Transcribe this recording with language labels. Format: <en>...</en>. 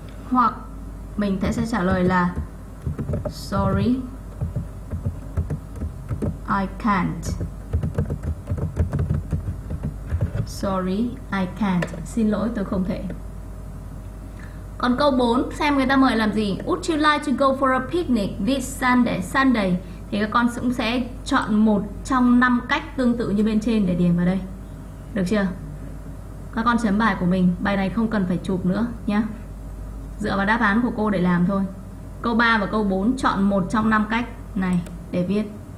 <vi>Hoặc mình sẽ trả lời là</vi> <en>sorry, I can't. Sorry, I can't.</en> <vi>Xin lỗi, tôi không thể. Còn câu 4, xem người ta mời làm gì.</vi> <en>Would you like to go for a picnic this Sunday?</en> <vi>Sunday thì các con cũng sẽ chọn một trong 5 cách tương tự như bên trên để điền vào đây. Được chưa? Các con chấm bài của mình. Bài này không cần phải chụp nữa nhé. Dựa vào đáp án của cô để làm thôi. Câu 3 và câu 4, chọn một trong 5 cách này để viết.</vi>